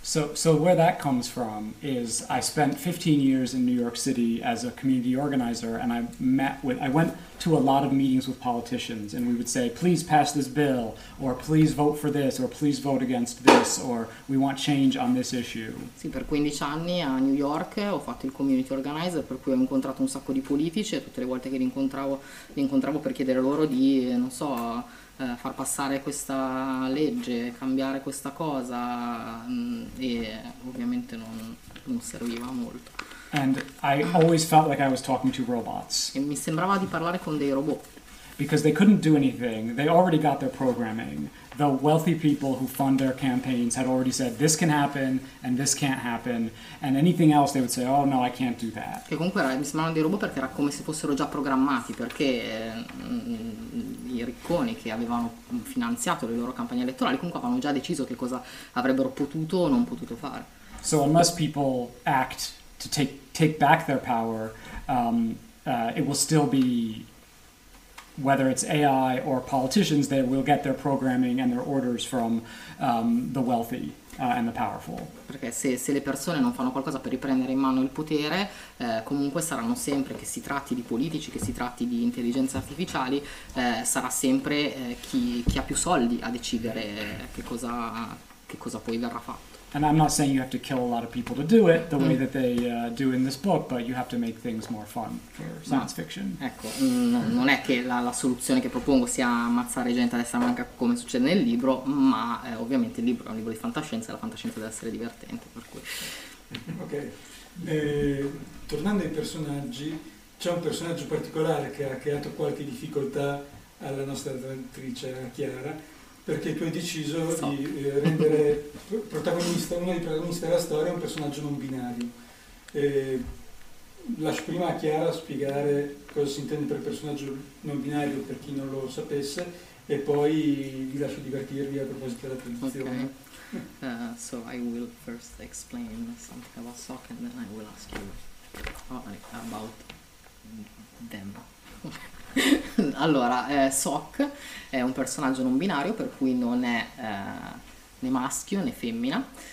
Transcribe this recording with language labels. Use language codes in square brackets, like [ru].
[en] So where that comes from is I spent 15 years in New York City as a community organizer, and I went to a lot of meetings with politicians, and we would say, please pass this bill, or please vote for this, or please vote against this, or we want change on this issue. [it] Sì, per 15 anni a New York ho fatto il community organizer, per cui ho incontrato un sacco di politici, e tutte le volte che li incontravo per chiedere loro di, non so, far passare questa legge, cambiare questa cosa, e ovviamente non serviva molto. [en] And I always felt like I was talking to robots. [it] E mi sembrava di parlare con dei robot. [en] Because they couldn't do anything. They already got their programming. The wealthy people who fund their campaigns had already said this can happen and this can't happen, and anything else they would say, oh no, I can't do that. [it] Che comunque mi sembravano dei robot perché era come se fossero già programmati, perché i ricconi che avevano finanziato le loro campagne elettorali comunque avevano già deciso che cosa avrebbero potuto o non potuto fare. [en] So unless people act to take back their power, it will still be, whether it's AI or politicians, they will get their programming and their orders from the wealthy and the powerful. [it] Perché se le persone non fanno qualcosa per riprendere in mano il potere, comunque saranno sempre, che si tratti di politici, che si tratti di intelligenze artificiali, sarà sempre chi ha più soldi a decidere che cosa poi verrà fatto. [en] And I'm not saying you have to kill a lot of people to do it the way that they do in this book, but you have to make things more fun for science fiction. [it] Ecco, non è che la soluzione che propongo sia ammazzare gente a destra manca come succede nel libro, ma ovviamente il libro è un libro di fantascienza e la fantascienza deve essere divertente, per cui. Ok. Tornando ai personaggi, c'è un personaggio particolare che ha creato qualche difficoltà alla nostra autrice Chiara. Perché tu hai deciso di rendere protagonista, uno dei protagonisti della storia, un personaggio non binario. Lascio prima a Chiara spiegare cosa si intende per personaggio non binario per chi non lo sapesse, e poi vi lascio divertirvi a proposito della tradizione. Okay. [en] So I will first explain something about Sock, and then I will ask you about them. [it] Allora, Sock è un personaggio non binario, per cui non è né maschio né femmina.